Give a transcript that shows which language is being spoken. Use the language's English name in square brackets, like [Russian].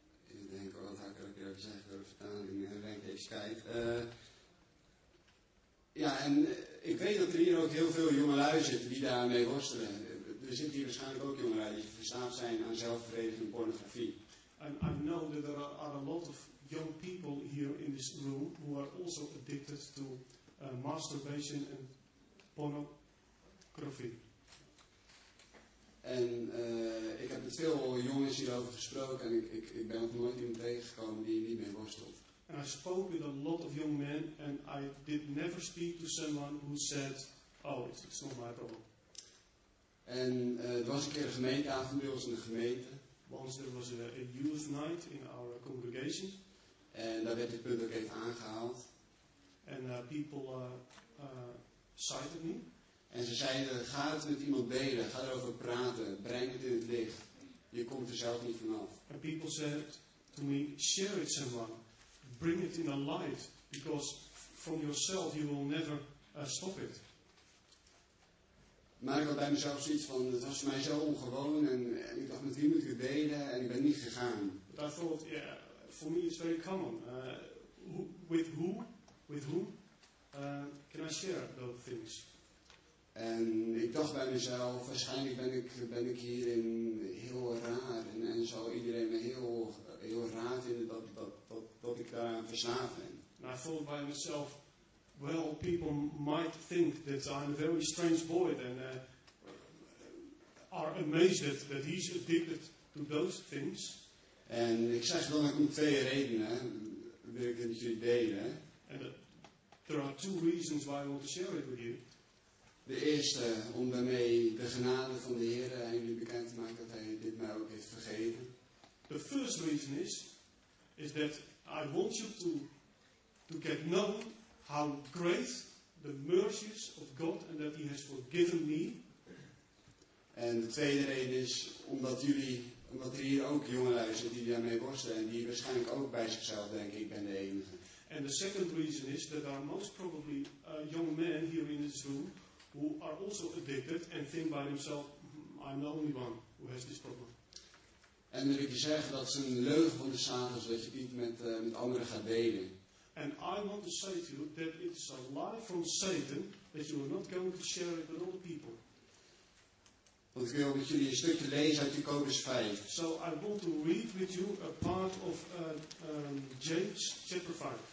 [Dutch] Ik denk wel dat ik er ook weer even zeggen door de vertaling en denk even kijken. Ik weet dat er hier ook heel veel jongelui zitten die daarmee worstelen. Er zitten hier waarschijnlijk ook jongelui die verslaafd zijn aan zelfvereniging en pornografie. [English] And I know that there are a lot of young people here in this room who are also addicted to masturbation and pornography. [Dutch] En ik heb met veel jongens hierover gesproken en ik ben nog nooit iemand tegengekomen die niet mee worstelt. [English] And I spoke with a lot of young men and I did never speak to someone who said, oh, it's not my problem. [Dutch] En er was een keer een gemeenteavond bij ons in de gemeente. [English] Once there was a youth night in our congregation. [Dutch] En daar werd het punt ook even aangehaald. [English] And people cited me. [Dutch] En ze zeiden, ga het met iemand delen, ga erover praten, breng het in het licht. Je komt er zelf niet vanaf. [English] And people said to me, share it someone. Bring it in the light, because from yourself you will never stop it. [Dutch] Maar ik had bij mezelf zoiets van, het was voor mij zo ongewoon en ik dacht, met wie moet ik het delen en ik ben niet gegaan. [English] But I thought, yeah, for me it's very common. With whom can I share those things? [Dutch] En ik dacht bij mezelf, waarschijnlijk ben ik hierin heel raar en zal iedereen me heel raar vinden dat ik daaraan verslaafd ben. [English] And I thought by myself, well, people might think that I'm a very strange boy and are amazed that he's addicted to those things. [Dutch] En ik zeg dan, ik heb twee redenen, wil ik het met jullie delen. [English] And there are two reasons why I want to share it with you. [Dutch] De eerste, om daarmee de genade van de Heer aan jullie bekend te maken dat hij dit mij ook heeft vergeven. [English] The first reason is that I want you to get known how great the mercies of God and that he has forgiven me. [Dutch] En de tweede reden is omdat er hier ook jongelui zitten die daarmee worstelen en die waarschijnlijk ook bij zichzelf denken, ik ben de enige. [English] And the second reason is that there are most probably young men here in this room who are also addicted and think by themselves, I'm the only one who has this problem. [Dutch] En dan wil je zeggen dat het een leugen van de Satan is dat je niet met anderen gaat delen. [English] And I want to say to you that it is a lie from Satan that you are not going to share it with other people. [Dutch] Want ik wil met jullie een stukje lezen uit Jacobus 5. [English] So I want to read with you a part of James chapter 5.